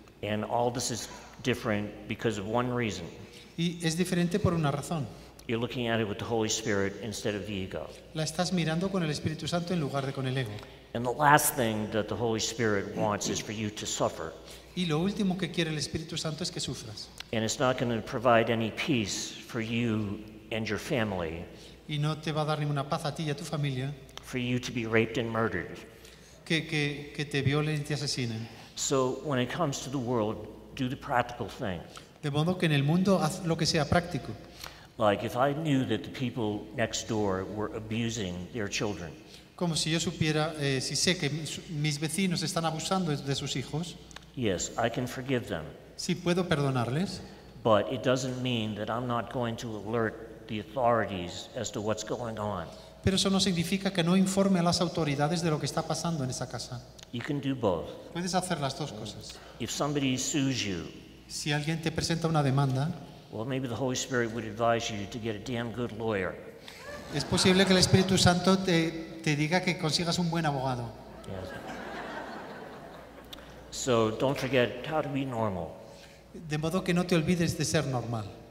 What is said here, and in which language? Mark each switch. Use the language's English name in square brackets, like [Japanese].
[English] And all this is different because of one reason. [Spanish] Y es diferente por una razón. [English] You're looking at it with the Holy Spirit instead of the ego. [Spanish] La estás mirando con el Espíritu Santo en lugar de con el ego. [English] And the last thing that the Holy Spirit wants is for you to suffer. [Spanish] Y lo último que quiere el Espíritu Santo es que sufras. [English] And it's not going to provide any peace for you and your family. [Spanish] Y no te va a dar ninguna paz a ti y a tu familia. [English] For you to be raped and murdered. [Spanish] Que te violen y te asesinen. [English] So when it comes to the world, do the practical thing. [Spanish] De modo que en el mundo haz lo que sea práctico. [English] Like if I knew that the people next door were abusing their children. [Spanish] Como si yo supiera, si sé que mis vecinos están abusando de sus hijos. [English] Yes, I can forgive them. [Spanish] Sí, puedo perdonarles. [English] But it doesn't mean that I'm not going to alert the authorities as to what's going on. [Spanish] Pero eso no significa que no informe a las autoridades de lo que está pasando en esa casa. [English] You can do both. [Spanish] Puedes hacer las dos cosas. [English] If somebody sues you, [Spanish] si alguien te presenta una demanda, [English] well, maybe the Holy Spirit would advise you to get a damn good lawyer. [Spanish] Es posible que el Espíritu Santo te diga que consigas un buen abogado. [English] Yes. So don't forget how to be normal. [Spanish] De modo que no te olvides de ser normal.